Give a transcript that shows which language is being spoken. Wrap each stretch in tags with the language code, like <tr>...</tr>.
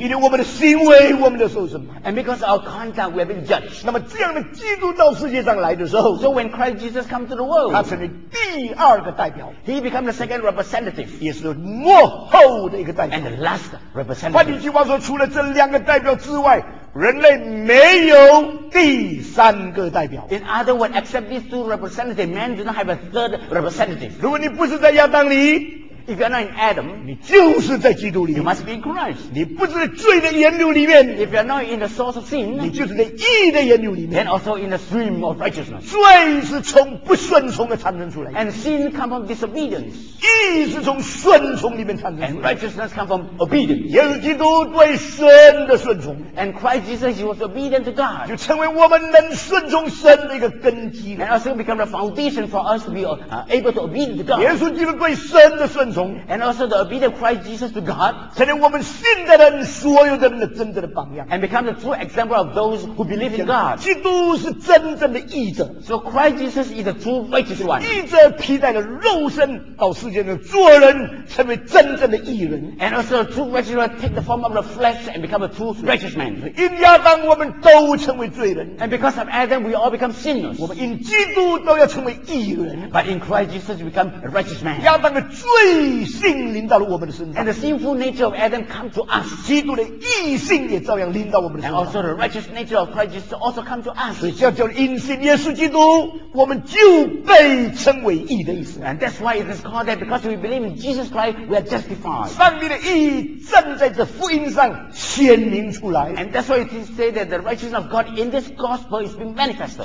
<zh>因为我们的行为，我们就受审判。</zh> <en>And because of our conduct, we have been judged.</en> <zh>那么这样的基督到世界上来的时候</zh> <en>，So when Christ Jesus come to the world,</en> <zh>他成为第二个代表。</zh> <en>He become the second representative.</en> <zh>也是末后的一个代表。</zh> <en>And the last representative.</en> <zh>换句话说，除了这两个代表之外。人类没有第三个代表。</zh> <en>In other words, except these two representatives, man does not have a third representative.</en> <zh>如果你不是在亚当里。</zh> <en>If you're not in Adam,</en> <zh>你就是在基督里。</zh> <en>You must be in Christ.</en> <zh>你不是在罪的源流里面。</zh> <en>If you're not in the source of sin,</en> <zh>你就是在义的源流里面。</zh> <en>And also in the stream of righteousness.</en> <zh>罪是从不顺从的产生出来。</zh> <en>And sin comes from disobedience.</en> <zh>义是从顺从里面产生。</zh> <en>And righteousness comes from obedience.</en> <zh>耶稣基督对神的顺从。</zh> <en>And Christ Jesus, he was obedient to God.</en> <zh>就成为我们能顺从神的一个根基。</zh> <en>And also become the foundation for us to be able to obey to God.</en> <zh>耶稣基督对神的顺从。</zh> <en>And also the obedient Christ Jesus to God,</en> <zh>成为我们信的人所有的人的真正的榜样</zh> <en>and become the true example of those who believe in God.</en> <zh>基督是真正的义者</zh> <en>so Christ Jesus is the true righteous one.</en> <zh>义者替代了肉身到世间做人成为真正的义人。</zh> <en>And also a true righteous man take the form of the flesh and become a true righteous man.</en> <zh>因亚当我们都成为罪人。</zh> <en>And because of Adam, we all become sinners.</en> <zh>我们因基督都要成为义人。</zh> <en>But in Christ Jesus, we become a righteous man.</en> <zh>亚当的罪性临到了我们的身上。</zh> <en>And the sinful nature of Adam come to us.</en> <zh>基督的义性也照样临到我们的身上。</zh> <en>And also the righteous nature of Christ Jesus also come to us.</en> <zh>所以叫因信耶稣基督，我们就被称为义的意思。</zh> <en>And that's why it is called that because we believe in Jesus Christ, we are justified.</en> <zh>上帝的义正在这福音上显明出来。</zh> <en>And that's why it is said that the righteousness of God in this gospel is being manifested.</en>